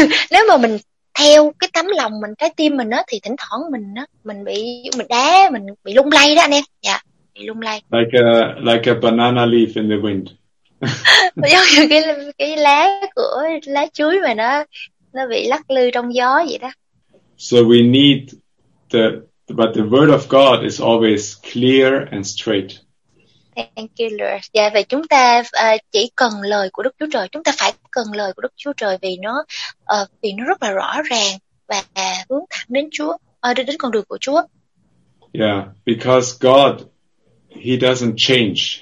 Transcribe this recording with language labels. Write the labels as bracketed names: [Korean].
[Vietnamese] Nếu mà mình theo cái tấm lòng mình, trái tim mình á, thì thỉnh thoảng mình á, mình bị lung lay đó anh em. Dạ, bị lung lay. [English] Like a banana leaf in the wind. [Vietnamese] Giống như cái lá chuối mà nó bị lắc lư trong gió vậy đó. [English] So we need but the word of God is always clear and straight. Thank you, Lord. [Vietnamese] Dạ, vậy chúng ta chỉ cần lời của Đức Chúa Trời. Chúng ta phải cần lời của Đức Chúa Trời vì nó rất là rõ ràng và hướng thẳng đến Chúa, đến con đường của Chúa. [English] Yeah, because God, he doesn't change.